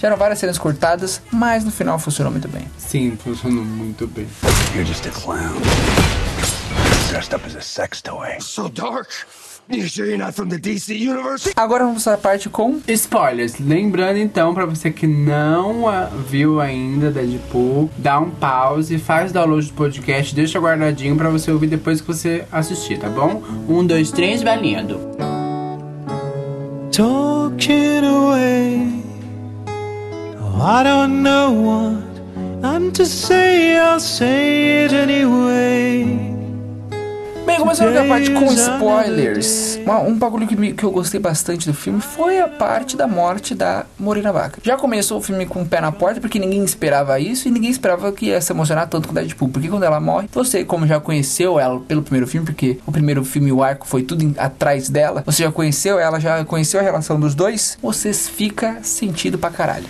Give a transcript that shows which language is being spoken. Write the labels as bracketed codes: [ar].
[pt] Tiveram várias cenas cortadas, mas no final funcionou muito bem. Sim, funcionou muito bem. [en] You're just a clown. Dressed up as a sex toy. So dark. You sure you're not from the DC Universe? [pt] Agora vamos para a parte com spoilers. Lembrando então, pra você que não viu ainda Deadpool, dá um pause, faz download do podcast, deixa guardadinho pra você ouvir depois que você assistir, tá bom? 1, 2, 3, valendo. [en] Talking away. I don't know what I'm to say, I'll say it anyway. [pt] começando com a parte com spoilers, um bagulho que eu gostei bastante do filme foi a parte da morte da Morena Vaca. Já começou o filme com o pé na porta, porque ninguém esperava isso, e ninguém esperava que ia se emocionar tanto com o Deadpool, porque quando ela morre, você, como já conheceu ela pelo primeiro filme, porque o primeiro filme, o arco, foi tudo atrás dela, você já conheceu ela, já conheceu a relação dos dois, você fica sentido pra caralho.